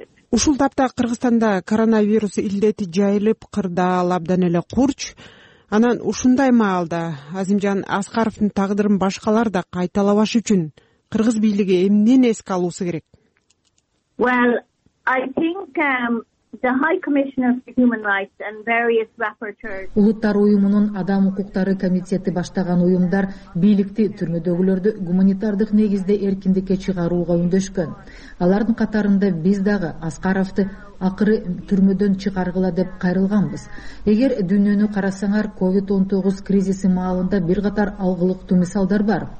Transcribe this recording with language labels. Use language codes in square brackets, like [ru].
[ky] Ушул тапта Кыргызстанда коронавирус илдети жайылып, кырдаал абдан эле курч. Анан ушундай маалда Азимжан Аскаровдун тагдырын башкалар да кайталабаш үчүн кыргыз бийлиги эмнени эске алуусу керек? [en] Well, I think the High Commissioner for Human Rights and various rapporteurs. [ky] Улуттар уюмунун адам укуктары комитети баштаган уюмдар бийликти түрмөдөгүлөрдү гуманитардык негизде эркиндикке чыгарууга үндөшкөн. Алардын катарында биз дагы Аскаровду акыры түрмөдөн чыгаргыла деп кайрылганбыз. Эгер дүйнөнү карасаңар, COVID-19 кризиси маалында бир катар алгылыктуу мисалдар бар.